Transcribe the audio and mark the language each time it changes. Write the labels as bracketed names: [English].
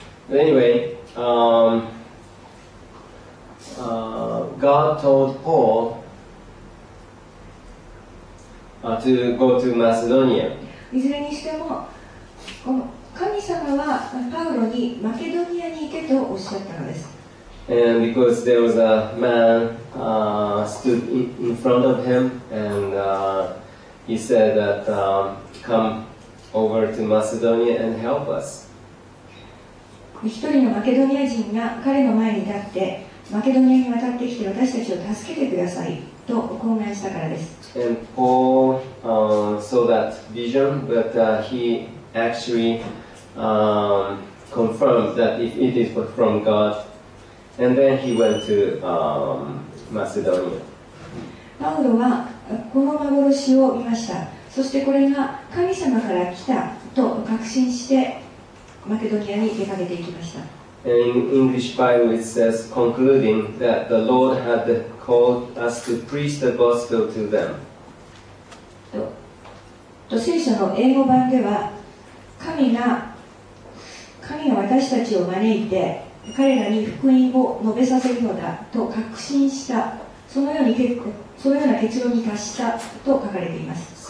[English] Anyway, God told Paul. To go to Macedonia. [Japanese] いずれにしてもこの神様はパウロにマケドニアに行けとおっしゃったのです。 [English] And because there was a man stood in front of him and he said that come over to Macedonia and help us. [Japanese] 一人のマケドニア人が彼の前に立ってマケドニアに渡ってきて私たちを助けてくださいと懇願したからです。 [English] And Paul saw that vision, but he actually confirmed that it is from God. And then he went to Macedonia. [Japanese] パウロはこの幻を見ました。そしてこれが神様から来たと確信してマケドニアに出かけていきました。 [English] In English Bible it says concluding that the Lord had called us to preach the gospel to them. [Japanese] と聖書の英語版では神が私たちを招いて彼らに福音を述べさせるのだと確信したそのような結論に達したと書かれています。